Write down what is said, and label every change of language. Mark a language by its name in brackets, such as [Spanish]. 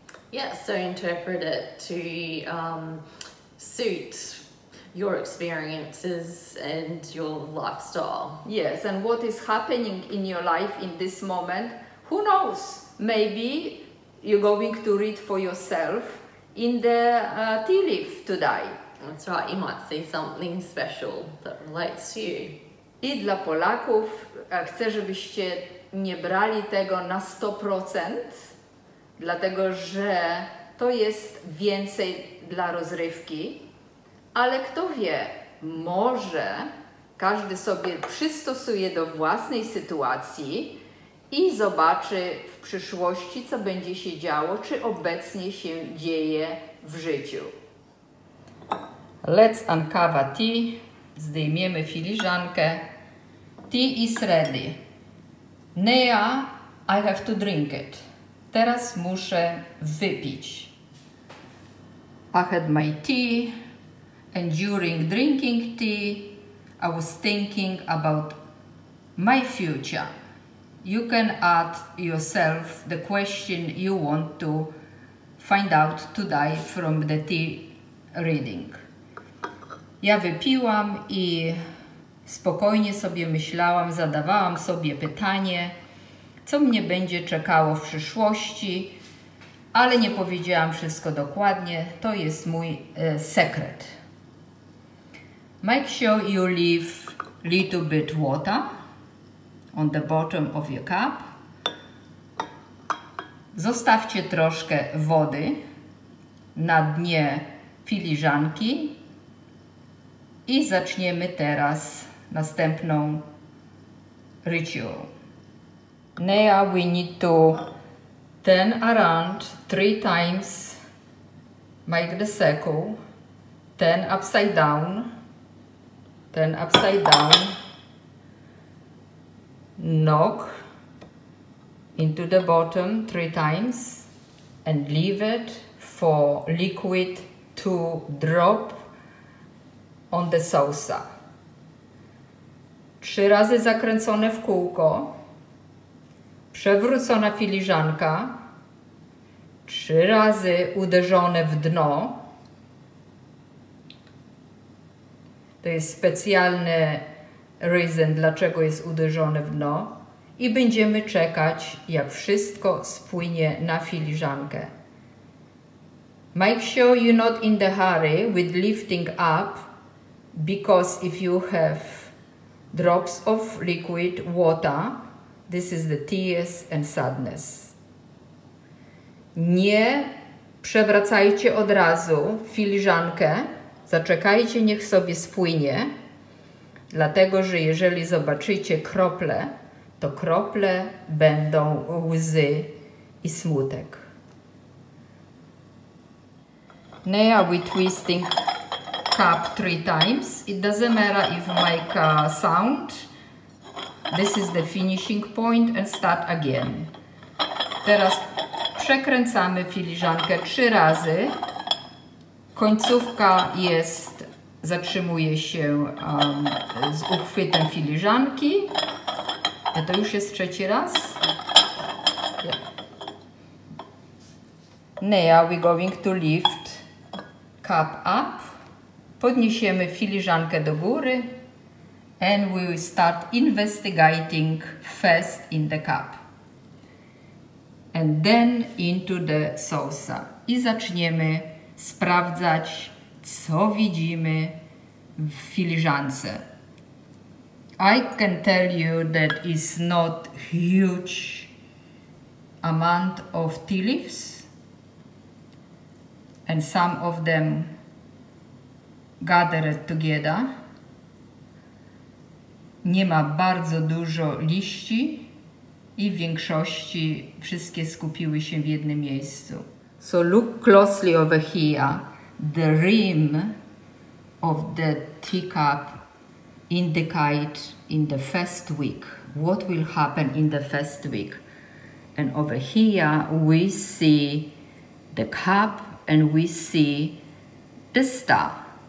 [English] Yeah, so interpret it to suit your experiences and your lifestyle. Yes, and what is happening in your life in this moment, who knows? Maybe you're going to read for yourself in the tea leaf today. That's right, you might see something special that relates to you. [Polish] I dla Polaków chcę, żebyście nie brali tego na 100%, dlatego że to jest więcej dla rozrywki. Ale kto wie, może każdy sobie przystosuje do własnej sytuacji i zobaczy w przyszłości, co będzie się działo, czy obecnie się dzieje w życiu. [English] Let's uncover tea. [Polish] Zdejmiemy filiżankę. [English] Tea is ready. Now I have to drink it. [Polish] Teraz muszę wypić. [English] I had my tea. And during drinking tea, I was thinking about my future. You can add yourself the question you want to find out today from the tea reading. [Polish] Ja wypiłam i spokojnie sobie myślałam, zadawałam sobie pytanie, co mnie będzie czekało w przyszłości, ale nie powiedziałam wszystko dokładnie. To jest mój sekret. [English] Make sure you leave a little bit water on the bottom of your cup. [Polish] Zostawcie troszkę wody na dnie filiżanki i zaczniemy teraz następną ritual. [English] Now we need to turn around three times, make the circle, turn upside down. Turn upside down, knock into the bottom three times and leave it for liquid to drop on the saucer. [Polish] Trzy razy zakręcone w kółko, przewrócona filiżanka, trzy razy uderzone w dno. To jest specjalny reason, dlaczego jest uderzone w dno. I będziemy czekać, jak wszystko spłynie na filiżankę. [English] Make sure you're not in the hurry with lifting up, because if you have drops of liquid water, this is the tears and sadness. [Polish] Nie przewracajcie od razu filiżankę. Zaczekajcie, niech sobie spłynie, dlatego że jeżeli zobaczycie krople, to krople będą łzy i smutek. [English] Now we twisting cup three times. It doesn't matter if you make a sound. This is the finishing point and start again. [Polish] Teraz przekręcamy filiżankę trzy razy. Końcówka jest, zatrzymuje się z uchwytem filiżanki. A to już jest trzeci raz. [English] Now we're going to lift cup up. [Polish] Podniesiemy filiżankę do góry. [English] And we will start investigating first in the cup. And then into the saucer. [Polish] I zaczniemy sprawdzać, co widzimy w filiżance. [English] I can tell you that it's not huge amount of tea leaves, and some of them gathered together. [Polish] Nie ma bardzo dużo liści i w większości wszystkie skupiły się w jednym miejscu. [English] So look closely over here. The rim of the teacup indicates in the first week. What will happen in the first week? And over here we see the cup and we see the star.